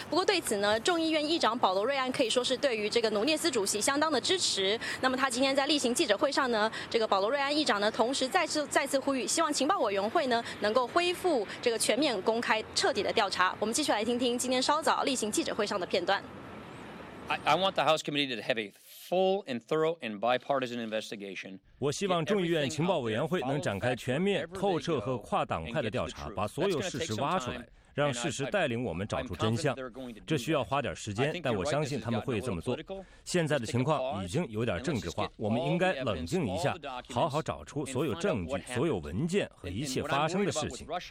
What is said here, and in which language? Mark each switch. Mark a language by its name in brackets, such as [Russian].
[Chinese] 不过对此呢，众议院议长保罗瑞安可以说是对于这个努涅斯主席相当的支持。那么他今天在例行记者会上呢，这个保罗瑞安议长同时再次呼吁，希望情报委员会呢能够恢复这个全面公开彻底的调查。我们继续来听听今天稍早例行记者会上的片段。 [English] I want the House Committee to have a full and thorough and bipartisan investigation. [Chinese] 我希望众议院情报委员会能展开全面透彻和跨党派的调查，把所有事实挖出来，让事实带领我们找出真相。这需要花点时间，但我相信他们会这么做。现在的情况已经有点政治化，我们应该冷静一下，好好找出所有证据、所有文件和一切发生的事情。